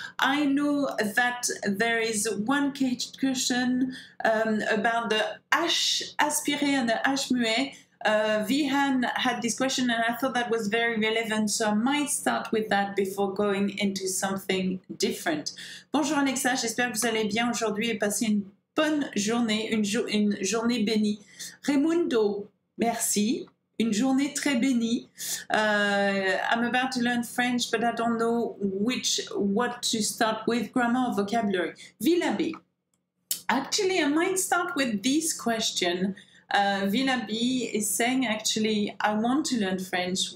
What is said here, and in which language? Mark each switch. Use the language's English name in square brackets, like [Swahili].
[English] I know that there is one caged question about the H aspiré and the H muet. Vihan had this question, and I thought that was very relevant, so I might start with that before going into something different. [French] Bonjour Alexa, j'espère que vous allez bien aujourd'hui et passez une bonne journée, une journée bénie. Raimundo, merci. Une journée très bénie. [English] I'm about to learn French, but I don't know what to start with, grammar or vocabulary. Villabé. Actually, I might start with this question. Villabé is saying, actually, I want to learn French.